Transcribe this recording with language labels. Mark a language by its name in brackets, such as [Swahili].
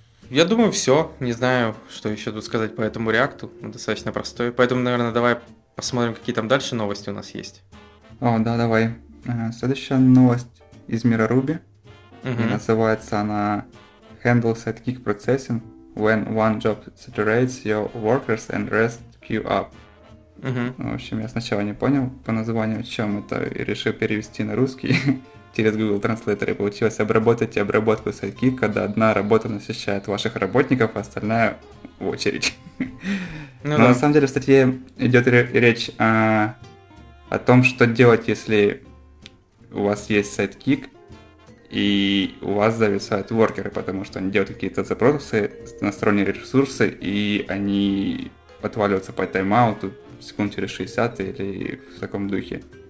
[Russian] Я думаю, все. Не знаю, что еще тут сказать по этому реакту. Достаточно простой. Поэтому, наверное, давай посмотрим, какие там дальше новости у нас есть. О, да, давай. Следующая новость из мира Ruby. И называется она... [English] Handle set kick processing when one job saturates your workers and rest queue up. [Russian] В общем, я сначала не понял по названию, о чем это, и решил перевести на русский через Google Translator. И получилось, обработайте обработку set kick, когда одна работа насыщает ваших работников, а остальная в очередь. Но на самом деле в статье идет речь о том, что делать, если у вас есть set kick, и у вас зависают воркеры, потому что они делают какие-то запросы на сторонние ресурсы, и они отваливаются по тайм-ауту секунд через 60 или в таком духе.